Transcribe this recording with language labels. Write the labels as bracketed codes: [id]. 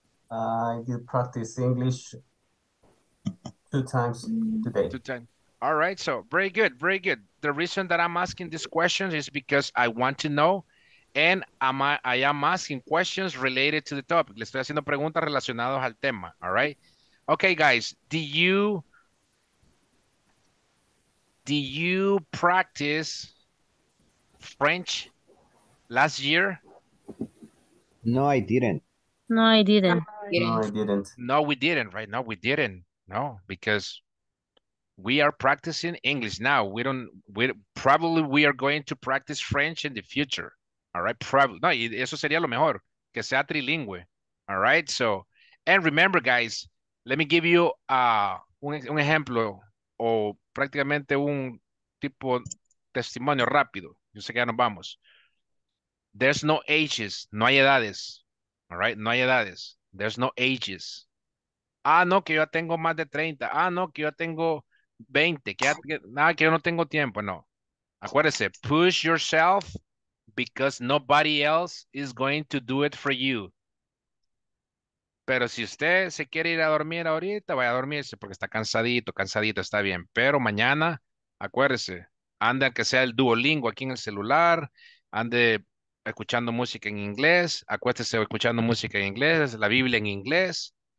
[en] I do practice English 2 times today. 2 times. All right, so very good, very good. The reason that I'm asking these questions is because I want to know, and I am asking questions related to the topic. [es] Le estoy haciendo preguntas relacionadas al tema, [en] all right? Okay, guys, Do you practice French last year? No, I didn't. No, I didn't. No, I didn't. No, we didn't, right? No, we didn't. No, because we are practicing English now. We are going to practice French in the future. All right? Probably. [es] No, eso sería lo mejor. Que sea trilingüe. All right? [en] So, and remember, guys, let me give you [es] un ejemplo o prácticamente un tipo testimonio rápido. Yo sé que ya nos vamos. [en] There's no ages. [es] No hay edades. [en] All right? [es] No hay edades. [en] There's no ages. [es] Ah, no, que yo tengo más de 30. Ah, no, que yo tengo 20. Que yo no tengo tiempo. No. [en] Acuérdese, push yourself because nobody else is going to do it for you. [es] Pero si usted se quiere ir a dormir ahorita, vaya a dormirse porque está cansadito, está bien. Pero mañana, acuérdese, ande al que sea el Duolingo aquí en el celular, ande escuchando música en inglés, acuéstese escuchando música en inglés, la Biblia en inglés,